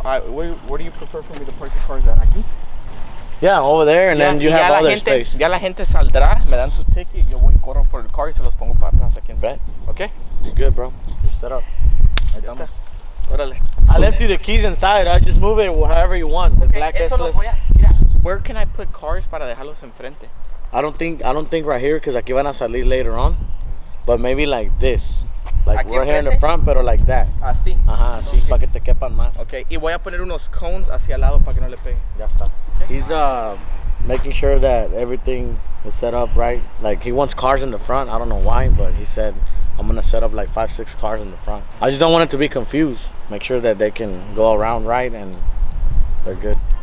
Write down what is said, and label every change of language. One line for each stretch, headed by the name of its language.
English: Where do you prefer for me to park the cars at?
Spanish: Aquí.
English: Yeah, over there, and yeah, then you have other
Spanish: gente,
English: space.
Spanish: Ya la gente saldrá, me dan su ticket, yo voy corro por el car y se los pongo para atrás aquí.
English: Bet. Okay. You're good, bro. You're set up.
Spanish: Ahí está. Órale.
English: I left you the keys inside. I just move it however you want. The okay, black S-class. Where can I put cars
Spanish: para dejarlos enfrente?
English: I don't think right here, because
Spanish: aquí van a salir
English: later on. But maybe like this. Like right here in the front, pero like that.
Spanish: Así. Ajá, así, okay. Para que te quepan más. Okay, y voy a poner unos cones hacia el lado para que no le peguen. Ya está. Okay.
English: He's making sure that everything is set up right. Like, he wants cars in the front. I don't know why, but he said, I'm going to set up like 5-6 cars in the front. I just don't want it to be confused. Make sure that they can go around right and they're good.